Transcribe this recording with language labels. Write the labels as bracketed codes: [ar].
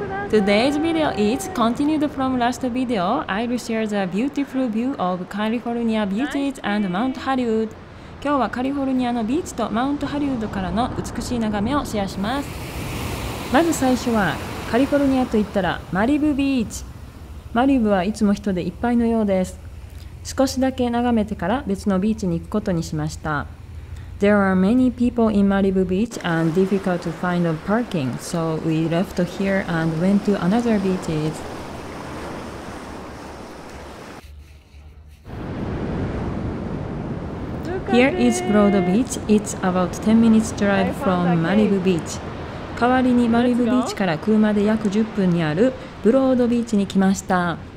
[en] Today's video is continued from last video. I will share the beautiful view of California beaches and Mount Hollywood. [ja] 今日はカリフォルニアのビーチとマウントハリウッドからの美しい眺めをシェアします。まず最初はカリフォルニアといったらマリブビーチ。マリブはいつも人でいっぱいのようです。少しだけ眺めてから別のビーチに行くことにしました。 [en] There are many people in Malibu Beach and difficult to find a parking, so we left here and went to another beaches. Here is Broad Beach. It's about 10 minutes drive from Malibu Beach. [ja] 代わりにマリブビーチから車で約10分にあるブロードビーチに来ました。